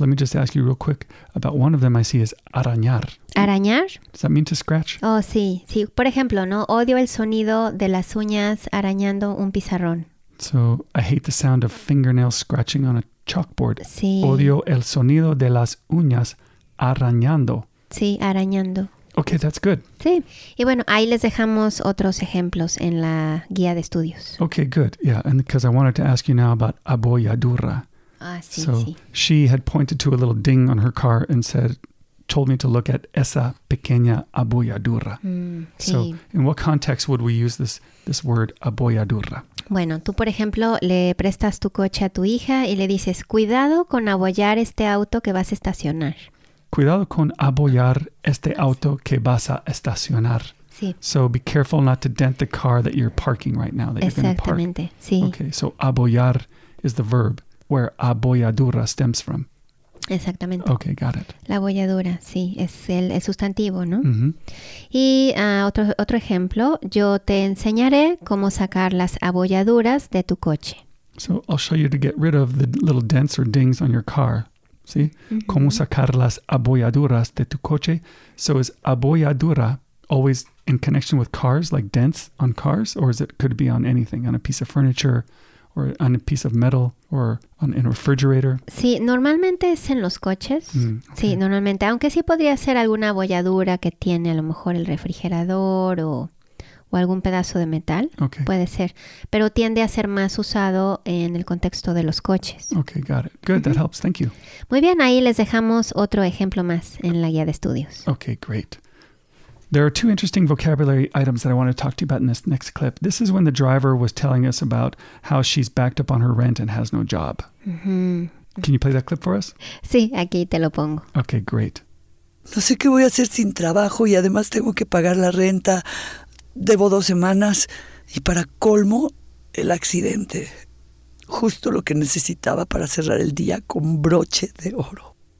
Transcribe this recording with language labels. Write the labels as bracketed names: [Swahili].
[English] Let me just ask you real quick about one of them I see is arañar. [Spanish] ¿Arañar? [English] Does that mean to scratch? [Spanish] Oh, sí. Sí, por ejemplo, ¿no? Odio el sonido de las uñas arañando un pizarrón. [English] So, I hate the sound of fingernails scratching on a chalkboard. [Spanish] Sí. Odio el sonido de las uñas arañando. Sí, arañando. [English] Okay, that's good. [Spanish] Sí. Y bueno, ahí les dejamos otros ejemplos en la guía de estudios. [English] Okay, good. Yeah, and because I wanted to ask you now about abolladura. [Spanish] Ah, sí, [English] so she had pointed to a little ding on her car and said, told me to look at [Spanish] esa pequeña abolladura. Sí. [English] So in what context would we use this word abolladura? [Spanish] Bueno, tú, por ejemplo, le prestas tu coche a tu hija y le dices, cuidado con abollar este auto que vas a estacionar. Cuidado con abollar este auto que vas a estacionar. Sí. [English] So be careful not to dent the car that you're parking right now, that you're going to park. [Spanish] Exactamente, sí. [English] Okay, so abollar is the verb where abolladura stems from. [Spanish] Exactamente. [English] Okay, got it. [Spanish] La abolladura, sí, es el sustantivo, ¿no? Uh-huh. Y otro ejemplo, yo te enseñaré cómo sacar las abolladuras de tu coche. [English] So I'll show you to get rid of the little dents or dings on your car. [Spanish] ¿Sí? ¿Cómo sacar las abolladuras de tu coche? [English] So is abolladura always in connection with cars, like dents on cars? Or is it could it be on anything, on a piece of furniture, or on a piece of metal, or on in a refrigerator? [Spanish] Sí, normalmente es en los coches. [English] Okay. [Spanish] Sí, normalmente. Aunque sí podría ser alguna abolladura que tiene a lo mejor el refrigerador o algún pedazo de metal. [English] Okay. [Spanish] Puede ser. Pero tiende a ser más usado en el contexto de los coches. [English] Okay, got it. Good, that helps. Thank you. [Spanish] Muy bien, ahí les dejamos otro ejemplo más en la guía de estudios. [English] Okay, great. There are two interesting vocabulary items that I want to talk to you about in this next clip. This is when the driver was telling us about how she's backed up on her rent and has no job. Can you play that clip for us? [Spanish] Sí, aquí te lo pongo. [English] Okay, great. [Spanish] No sé qué voy a hacer sin trabajo y además tengo que pagar la renta. Debo 2 semanas y para colmo, el accidente. Justo lo que necesitaba para cerrar el día con broche de oro.